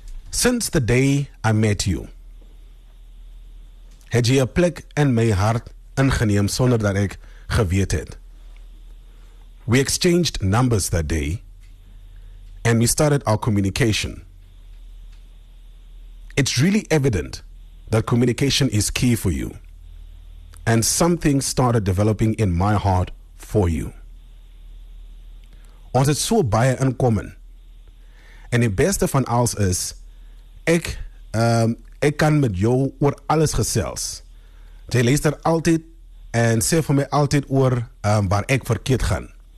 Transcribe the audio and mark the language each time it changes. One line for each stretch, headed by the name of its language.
English: Since the day I met you,
Afrikaans: het jy 'n plek in my hart ingeneem sonder dat ek geweet het.
English: We exchanged numbers that day and we started our communication. It's really evident that communication is key for you, and something started developing in my heart for you.
Afrikaans: Ons het so baie
English: in common, and the best of us is
Afrikaans: ek kan met jou oor alles gesels. Jy luister altyd en sê vir my altyd oor waar ek verkeerd gaan.